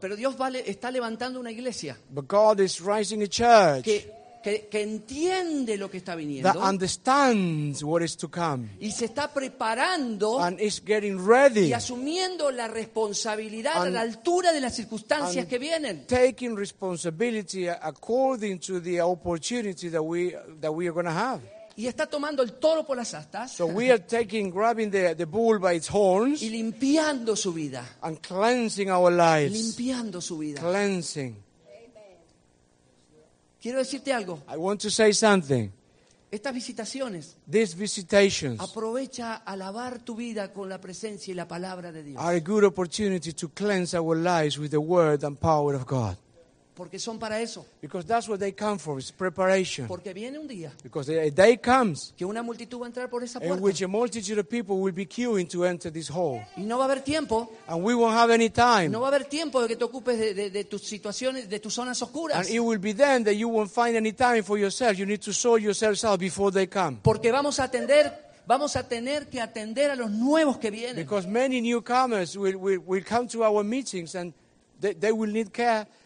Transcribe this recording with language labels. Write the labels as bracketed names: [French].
[Spanish] Pero Dios está levantando una iglesia. [English] But God is rising a church. [Spanish] Que entiende lo que está viniendo. [English] That understands what is to come. [Spanish] Y se está preparando. [English] And is getting ready. [Spanish] Y asumiendo la responsabilidad a la altura de las circunstancias que vienen. [English] Taking responsibility according to the opportunity that we are going to have. [Spanish] Y está tomando el toro por las astas. [English] So we are grabbing the bull by its horns. [Spanish] Y limpiando su vida. [English] And cleansing our lives. [Spanish] Limpiando su vida. [English] Cleansing. [Spanish] Quiero decirte algo. [English] I want to say something. [Spanish] Estas visitaciones. [English] These visitations. [Spanish] Aprovecha a lavar tu vida con la presencia y la palabra de Dios. [English] Are a good opportunity to cleanse our lives with the word and power of God. [Spanish] Porque son para eso. [English] Because that's what they come for. It's preparation. [Spanish] Porque viene un día. [English] Because a day comes. [Spanish] Que una multitud va a entrar por esa puerta. [English] In which a multitude of people will be queuing to enter this hall. [Spanish] Y no va a haber tiempo. [English] And we won't have any time. [Spanish] No va a haber tiempo de que te ocupes de tus situaciones, de tus zonas oscuras. [English] And it will be then that you won't find any time for yourself. You need to sort yourselves out before they come. [Spanish] Porque vamos a tener que atender a los nuevos que vienen. [English] Because many newcomers will come to our meetings and they will need care.